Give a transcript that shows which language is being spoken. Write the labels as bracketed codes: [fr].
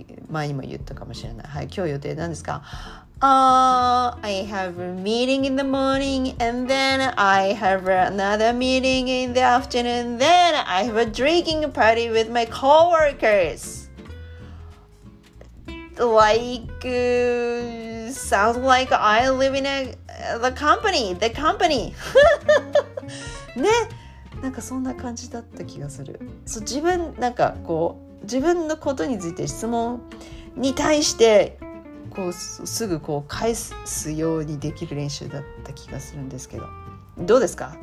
[ja] 前にも言ったかもしれない。はい、今日予定何ですか。 [en] I have a meeting in the morning and then I have another meeting in the afternoon and then I have a drinking party with my coworkers. Like, sounds like I live in the company. [ja] ね、なんかそんな感じだった気がする。そう、自分なんかこう自分のことについて質問に対してこうすぐこう返すようにできる練習だった気がするんですけど、どうですか。